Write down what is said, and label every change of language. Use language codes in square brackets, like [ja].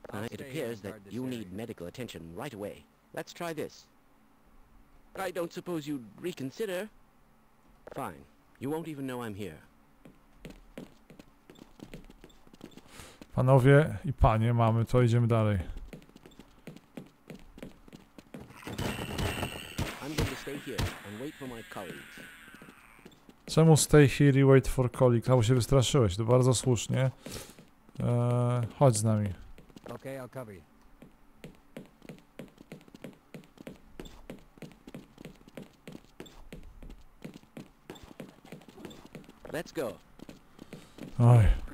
[en] It appears that you need medical attention right away. Let's try this. I don't suppose you'd reconsider. Fine. You won't even know I'm here. [pl] Panowie i panie, mamy to, idziemy dalej. [en] I'm going to stay here and wait for my colleagues. [pl] Czemu [en] stay here and wait for colleagues? [pl] Albo się wystraszyłeś, to bardzo słusznie. Chodź z nami. [en] Okay, I'll cover you. Let's go. Oj.